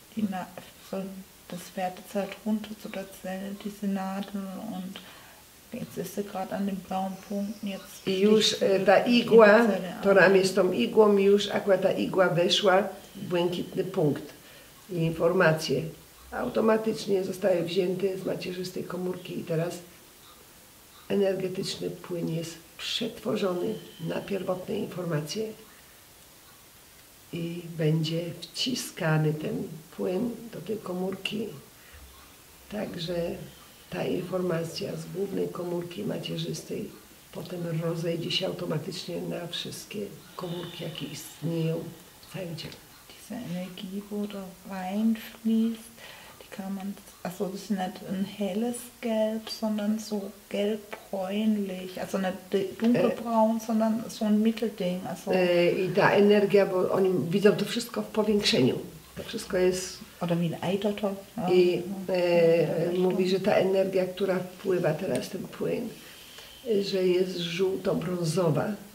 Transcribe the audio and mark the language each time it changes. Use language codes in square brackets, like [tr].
[de] I na, so, das wertet halt runter zu der Zelle, diese Nadel und jetzt ist sie gerade an dem blauen Punkt. Jetzt [pl] i już ta igła, to ramię z tą igłą, już akurat ta igła weszła w błękitny punkt. I informacje automatycznie zostaje wzięty z macierzystej komórki i teraz energetyczny płyn jest przetworzony na pierwotne informacje i będzie wciskany ten płyn do tej komórki, także ta informacja z głównej komórki macierzystej potem rozejdzie się automatycznie na wszystkie komórki, jakie istnieją w całym ciele. [de] Energie, wo da reinfließt, die kann man, also das ist nicht ein helles Gelb, sondern so gelbbräunlich, also nicht dunkelbraun, sondern so ein Mittelding. Also [pl] i ta energia, bo oni widzą to wszystko w powiększeniu. To wszystko jest. [de] Oder wie ein Eidotop. [pl] I mówi, że ta energia, która wpływa teraz, ten płyn, że jest żółto-brązowa.